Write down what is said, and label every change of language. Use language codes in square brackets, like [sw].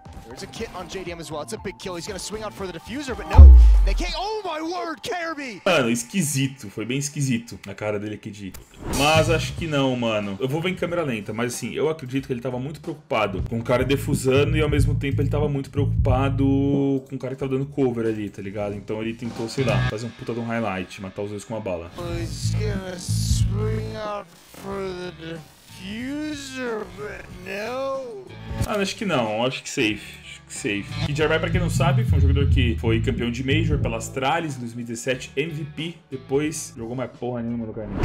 [en] There's a kit on JDM as well. It's a big kill. He's gonna swing out for the diffuser, but no. They can't. Oh my word, Kirby! [pt] Mano, esquisito. Foi bem esquisito na cara dele aqui de. Mas acho que não, mano. Eu vou ver em câmera lenta, mas assim, eu acredito que ele tava muito preocupado com o cara defusando e ao mesmo tempo ele tava muito preocupado com o cara que tava dando cover ali, tá ligado? Então ele tentou, sei lá, fazer um puta de um highlight, matar os dois com uma bala. [en] He's gonna swing out for the diffuser, but no. [pt] Ah, acho que não, acho que safe. Safe. E Jarvai, pra quem não sabe, foi um jogador que foi campeão de Major pela Astralis em 2017, MVP, depois jogou mais porra nenhuma no caminho.